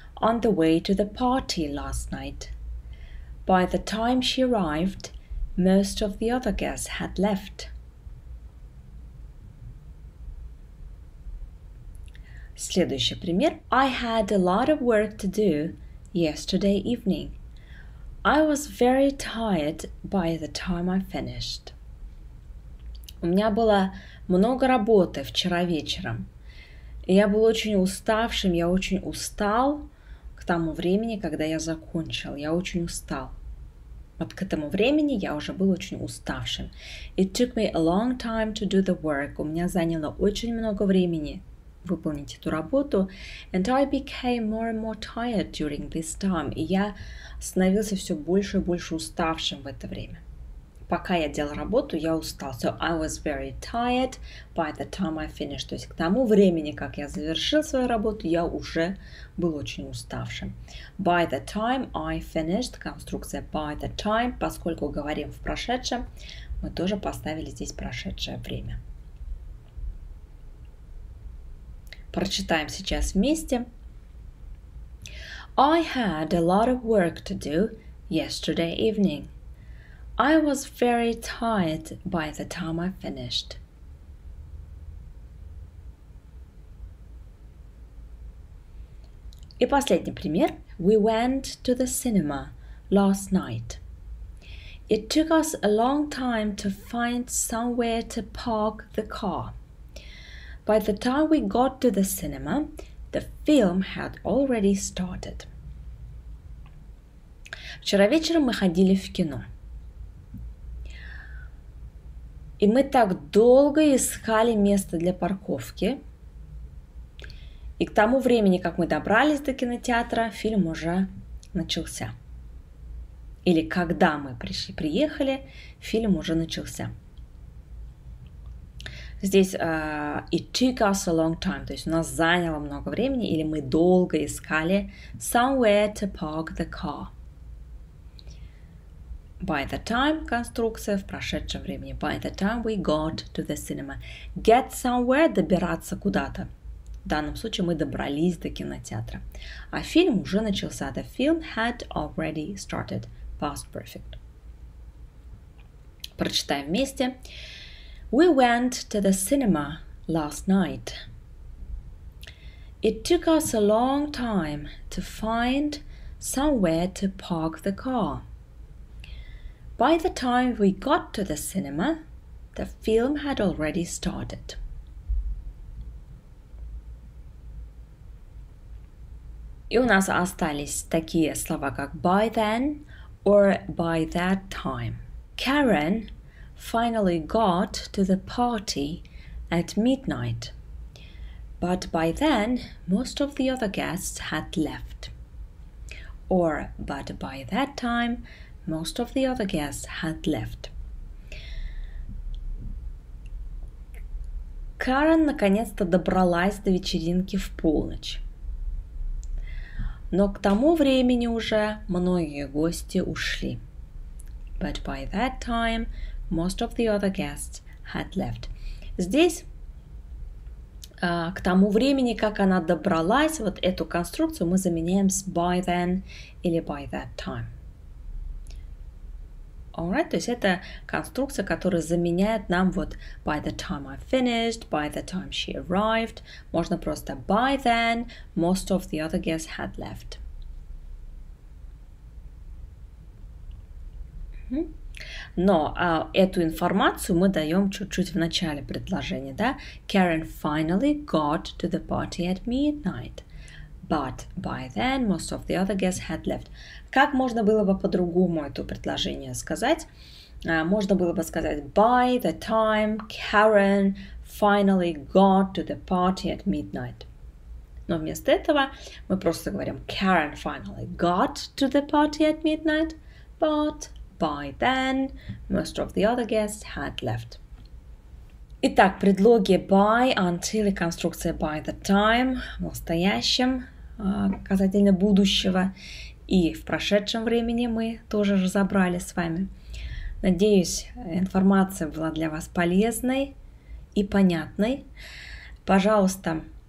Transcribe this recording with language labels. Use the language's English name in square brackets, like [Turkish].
[English] on the way to the party last night. By the time she arrived, most of the other guests had left. [Russian] Следующий пример. [English] I had a lot of work to do yesterday evening. I was very tired by the time I finished. [Russian] У меня было много работы вчера вечером. Я был очень уставшим, я очень устал к тому времени, когда я закончил. Я очень устал. Вот к этому времени я уже был очень уставшим. [English] It took me a long time to do the work. [Russian] У меня заняло очень много времени выполнить эту работу. [English] And I became more and more tired during this time. [Russian] И я становился все больше и больше уставшим в это время. Пока я делал работу, я устал. [English] So I was very tired by the time I finished. [Russian] То есть к тому времени, как я завершил свою работу, я уже был очень уставшим. [English] By the time I finished, [Russian] конструкция by the time, поскольку говорим в прошедшем, мы тоже поставили здесь прошедшее время. Прочитаем сейчас вместе. [English] I had a lot of work to do yesterday evening. I was very tired by the time I finished. [Russian] И последний пример. [English] We went to the cinema last night. It took us a long time to find somewhere to park the car. By the time we got to the cinema, the film had already started. [Russian] Вчера вечером мы ходили в кино. И мы так долго искали место для парковки. И к тому времени, как мы добрались до кинотеатра, фильм уже начался. Или когда мы пришли, приехали, фильм уже начался. Здесь [English] it took us a long time, [Russian] то есть у нас заняло много времени, или мы долго искали [English] somewhere to park the car. [Russian] By the time, конструкция в прошедшем времени. [English] By the time we got to the cinema. Get somewhere, [Russian] добираться куда-то. В данном случае мы добрались до кинотеатра. А фильм уже начался. [English] The film had already started. Past perfect. [Russian] Прочитаем вместе. [English] We went to the cinema last night. It took us a long time to find somewhere to park the car. By the time we got to the cinema, the film had already started. [Russian] И у нас остались такие слова, как [English] by then or by that time. Karen finally got to the party at midnight. But by then, most of the other guests had left. Or, but by that time, most of the other guests had left. [Russian] Карен наконец-то добралась до вечеринки в полночь. Но к тому времени уже многие гости ушли. [English] But by that time, most of the other guests had left. [Russian] Здесь к тому времени, как она добралась, вот эту конструкцию мы заменяем с by then или by that time. [English] Alright, [Russian] то есть это конструкция, которая заменяет нам вот [English] by the time I finished, by the time she arrived. [Russian] Можно просто [English] by then, most of the other guests had left. [Russian] Но эту информацию мы даем чуть-чуть в начале предложения, да? [English] Karen finally got to the party at midnight. But by then, most of the other guests had left. [Russian] Как можно было бы по-другому это предложение сказать? Можно было бы сказать [English] by the time Karen finally got to the party at midnight. [Russian] Но вместо этого мы просто говорим [English] Karen finally got to the party at midnight. But by then, most of the other guests had left. [Russian] Итак, предлоги by, until и конструкция by the time в настоящем, касательно будущего, и в прошедшем времени мы тоже разобрали с вами. Надеюсь, информация была для вас полезной и понятной. Пожалуйста,